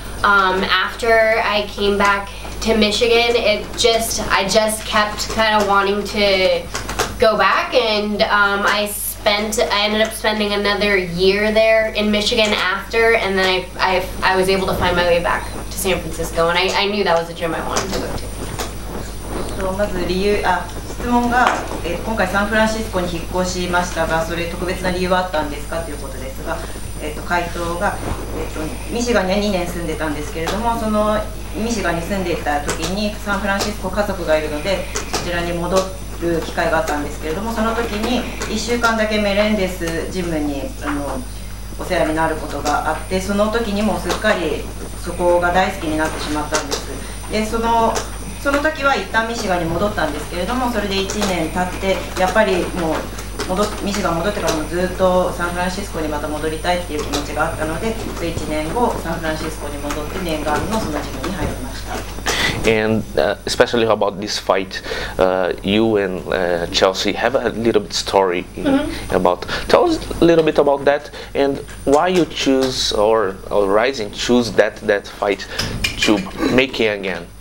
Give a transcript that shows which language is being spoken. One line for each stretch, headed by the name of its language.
English: After I came back to Michigan, I just kept kind of wanting to go back, and I ended up spending another year there in Michigan after, and then I was able to find my way back to San Francisco, and I knew that was the gym I wanted to go to.
Japanese: So, まず理由、あ、質問が、え、今回サンフランシスコに引っ越しましたが、それ特別な理由はあったんですかということですが、回答が、ミシガンに2年住んでたんですけれども、そのミシガンに住んでいた時にサンフランシスコ家族がいるのでそちらに戻って機会があったんですけれども、その時に1週間だけメレンデスジムにお世話になることがあって、その時にもすっかりそこが大好きになってしまったんです。で、その時は一旦ミシガンに戻ったんですけれども、それで1年経ってやっぱりもう戻ミシガン戻ってからもずっとサンフランシスコにまた戻りたいっていう気持ちがあったので、1年後サンフランシスコに戻って念願のそのジムに入りました。
English: And especially about this fight, you and Chelsea have a little bit story in, mm-hmm. about. Tell us a little bit about that and why you choose or Rizin choose that fight to make it again.